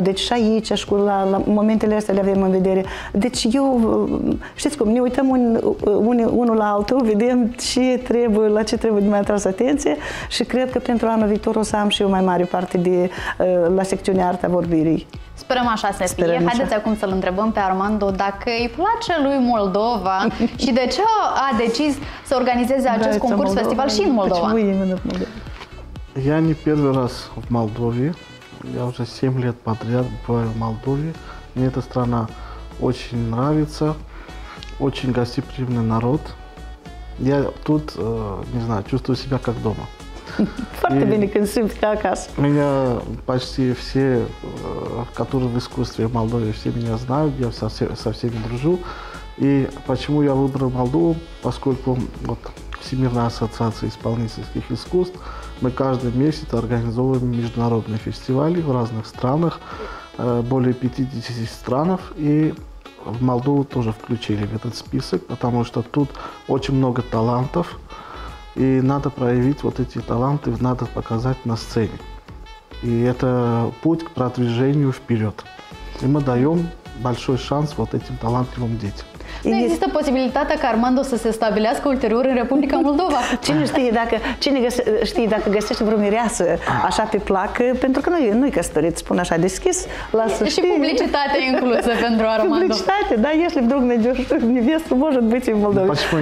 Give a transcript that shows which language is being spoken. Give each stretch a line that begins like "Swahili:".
Romanian: Deci și aici și cu la momentele astea le avem în vedere. Deci eu, știți cum, ne uităm unul la altul, vedem ce trebuie, la ce trebuie mai atras atenție și cred că pentru anul viitor o să am și eu mai mare parte de la secțiunea Arta Vorbirii. Sperăm așa să fie. Haideți acum să-l întrebăm pe Armando dacă îi place lui Moldova și de ce a decis să organizeze acest concurs Moldova, festival și în Moldova.
Russian: Я не первый раз в Молдове. Я уже 7 лет подряд бываю в Молдове. Мне эта страна очень нравится. Очень гостеприимный народ. Я тут, не знаю, чувствую себя как дома.
Romanian: Foarte bine când simți ca acasă.
Russian: Меня почти все, которые в искусстве в Молдове, все меня знают, я со всеми дружу. И почему я выбрал Молдову? Поскольку вот Всемирная ассоциация исполнительских искусств, мы каждый месяц организовываем международные фестивали в разных странах, более 50 стран, и в Молдову тоже включили в этот список, потому что тут очень много талантов. И надо проявить вот эти таланты, надо показать на сцене. И это путь к продвижению вперед. И мы даем большой шанс вот этим талантливым детям.
Romanian: Nu există posibilitatea ca Armando să se stabilească ulterior în Republica Moldova. Cine știe dacă găsește vreo mireasă așa pe placă, pentru că nu-i căsătorit, spun așa deschis, lasă și publicitatea inclusă pentru Armando. Publicitate, da, ești vdrug nevestă, nevestă, poate bici în Moldova.